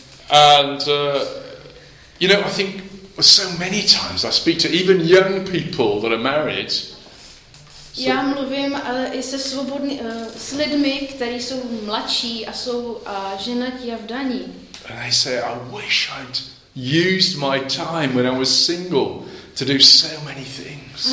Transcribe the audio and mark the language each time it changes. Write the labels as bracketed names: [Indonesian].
[English] And you know, I think so many times I speak to even young people that are married. [Czech] So, já mluvím i se svobodný, s lidmi, kteří jsou mladší a jsou ženatí a vdaní. [English] And they say, I wish I'd used my time when I was single to do so many things.